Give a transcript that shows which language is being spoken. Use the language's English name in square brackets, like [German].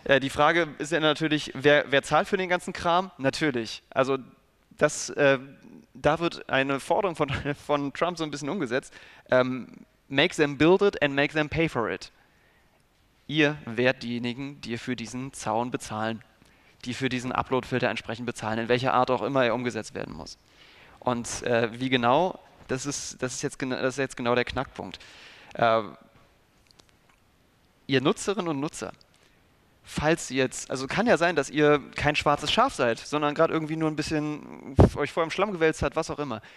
[German] Die Frage ist ja natürlich, wer zahlt für den ganzen Kram? Natürlich. Also das. Da wird eine Forderung von Trump so ein bisschen umgesetzt. [English] Make them build it and make them pay for it. [German] Ihr werdet diejenigen, die für diesen Zaun bezahlen, die für diesen Upload-Filter entsprechend bezahlen, in welcher Art auch immer er umgesetzt werden muss. Und wie genau, das ist jetzt genau der Knackpunkt. Ihr Nutzerinnen und Nutzer, falls jetzt, also kann ja sein, dass ihr kein schwarzes Schaf seid, sondern gerade irgendwie nur ein bisschen euch vor im Schlamm gewälzt hat, was auch immer.